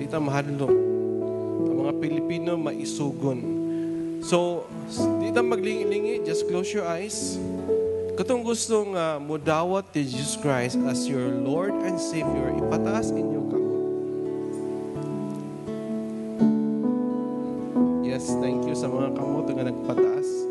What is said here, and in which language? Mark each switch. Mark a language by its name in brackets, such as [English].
[Cebuano] Di ta mahadlok ang mga Pilipino maisugon. So, di tayo maglingi-lingi, [English] just close your eyes. [Cebuano] Katong gustong mudawat ni Jesus Christ [English] as your Lord and Savior, [Cebuano] ipataas inyong kamot. [English] Yes, thank you [Cebuano] sa mga kamot na nagpataas.